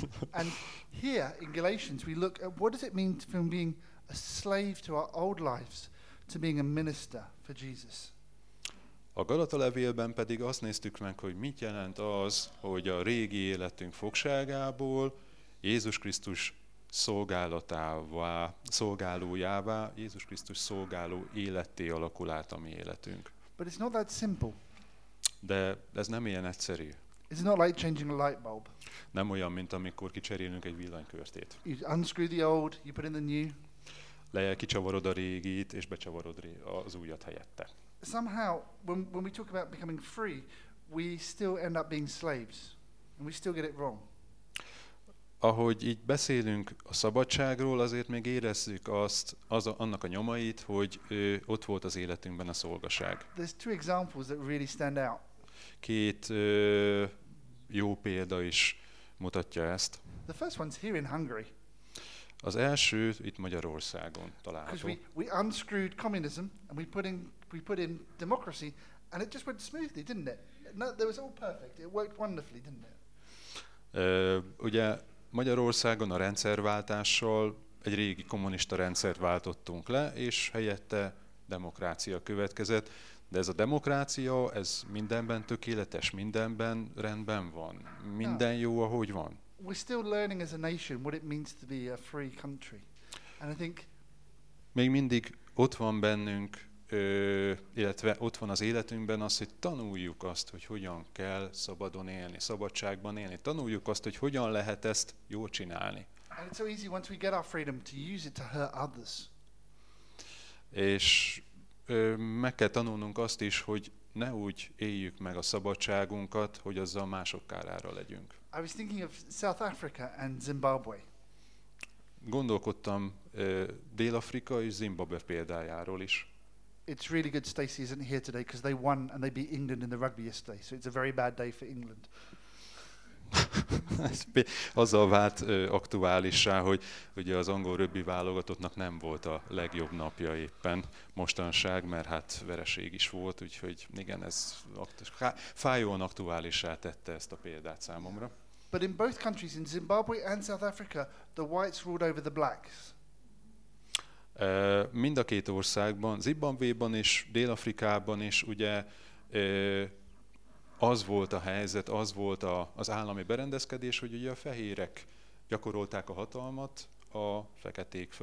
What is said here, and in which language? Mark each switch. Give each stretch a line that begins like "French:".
English: And here in Galatians we look at what does it mean from being a slave to our old lives to being a minister for Jesus.
Hungarian: A Galata levélben pedig azt néztük meg, hogy mit jelent az, hogy a régi életünk fogságából Jézus Krisztus szolgálatává, szolgálójává, Jézus Krisztus szolgáló életté alakul át a mi életünk.
English: But it's not that simple.
Hungarian: De ez nem ilyen egyszerű.
English: It's not like changing a light bulb.
Hungarian: Nem olyan, mint amikor kicserélünk egy villanykörtét.
English: You unscrew the old, you put in the new.
Hungarian: Kicsavarod a régit, és becsavarod az újat helyette.
English: Somehow, when we talk about becoming free, we still end up being slaves, and we still get it wrong.
Hungarian: Ahogy így beszélünk a szabadságról, azért még érezzük azt, annak a nyomait, hogy ott volt az életünkben a szolgaság.
English: There's two examples that really stand out.
Hungarian: Két jó példa is mutatja ezt.
English: The first one's here in Hungary.
Hungarian: Az első itt Magyarországon található.
English: Because we unscrewed communism and we put in democracy and it just went smoothly, didn't it? No, there was all perfect. It worked wonderfully, didn't it?
Hungarian: Ugye Magyarországon a rendszerváltással egy régi kommunista rendszert váltottunk le, és helyette demokrácia következett. De ez a demokrácia, ez mindenben tökéletes, mindenben rendben van. Minden jó, ahogy van.
English: We're still learning as a nation what it means to be a free country. And I think
Hungarian: még mindig ott van bennünk illetve ott van az életünkben az, hogy tanuljuk azt, hogy hogyan kell szabadon élni, szabadságban élni. Tanuljuk azt, hogy hogyan lehet ezt jól csinálni.
English: And it's so easy once we get our freedom to use it to hurt others.
Hungarian: És meg kell tanulnunk azt is, hogy ne úgy éljük meg a szabadságunkat, hogy azzal mások kárára legyünk.
English: I was thinking of South Africa and Zimbabwe.
Hungarian: Gondolkodtam Dél-Afrika és Zimbabwe példájáról is.
English: It's really good Stacey isn't here today because they won and they beat England in the rugby yesterday, so it's a very bad day for England.
Hungarian: Azzal vált aktuálissá, hogy ugye az angol rugby válogatottnak nem volt a legjobb napja éppen mostanság, mert hát vereség is volt, úgyhogy igen, ez fájóan aktuálissá tette ezt a példát számomra.
English: But in both countries, in Zimbabwe and South Africa, the whites ruled over the blacks.
Hungarian: Mind a két országban, Zimbabwe-ban és Dél-Afrikában is ugye az volt a helyzet, az volt az állami berendezkedés, hogy ugye a fehérek gyakorolták a hatalmat a feketék fölött.